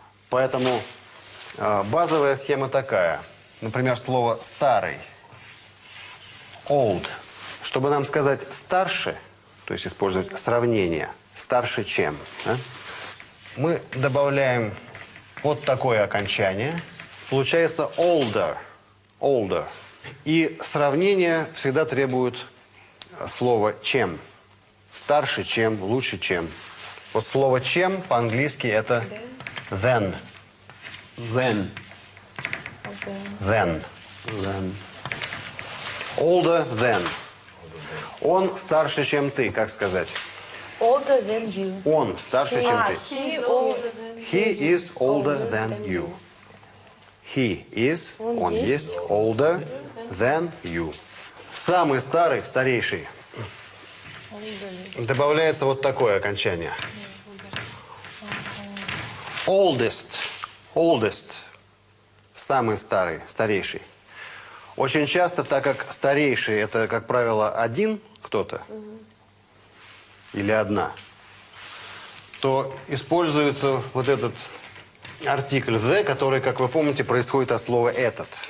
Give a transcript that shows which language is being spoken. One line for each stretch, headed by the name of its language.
Russian: Поэтому базовая схема такая. Например, слово «старый» – «old». Чтобы нам сказать «старше», то есть использовать сравнение «старше чем», да, мы добавляем вот такое окончание.
English: Получается «older», «older».
Russian: И сравнение всегда требует слово «чем». «Старше чем», «лучше чем». Вот слово «чем» по-английски это «then».
English: «Then». «Then». «Then». «Older than».
Russian: «Он старше, чем ты», как сказать?
English: «Older than you».
Russian: «Он старше, чем ты».
English: «He is older than you». «He is older than you». «He is»,
Russian: он есть,
English: «older than you».
Russian: Самый старый, старейший. Добавляется вот такое окончание.
English: Oldest. Oldest.
Russian: Самый старый, старейший. Очень часто, так как старейший – это, как правило, один кто-то или одна, то используется вот этот артикль «the», который, как вы помните, происходит от слова «этот».